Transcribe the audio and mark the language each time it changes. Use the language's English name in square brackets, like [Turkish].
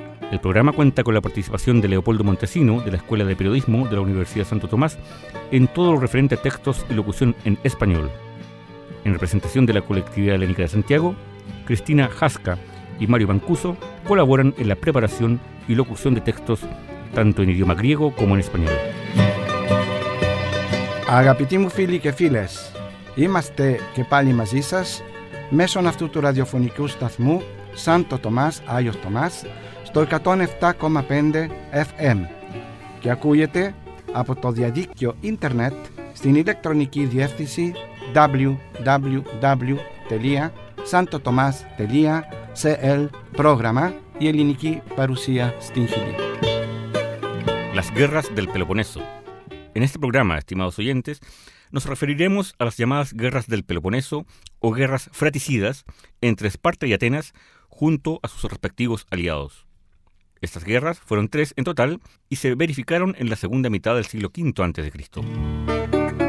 [Spanish] El programa cuenta con la participación de Leopoldo Montesino, de la Escuela de Periodismo de la Universidad Santo Tomás, en todo lo referente a textos y locución en español. En representación de la Colectividad Helénica de Santiago, Cristina Jasca y Mario Mancuso colaboran en la preparación y locución de textos, tanto en idioma griego como en español. [Greek] Αγαπητοί φίλοι και φίλες, είμαστε και πάλι μαζί σας μέσω αυτού του ραδιοφωνικού σταθμού Σάντο Τομάς, Άγιος Τομάς, στο 107,5 FM και ακούγεται από το διαδίκτυο ίντερνετ στην ηλεκτρονική διεύθυνση www.santotomas.cl πρόγραμμα η ελληνική παρουσία στην Χιλή. [Spanish] Las guerras del Peloponeso. En este programa, estimados oyentes, nos referiremos a las llamadas guerras del Peloponeso o guerras fratricidas entre Esparta y Atenas junto a sus respectivos aliados. Estas guerras fueron tres en total y se verificaron en la segunda mitad del siglo V a.C.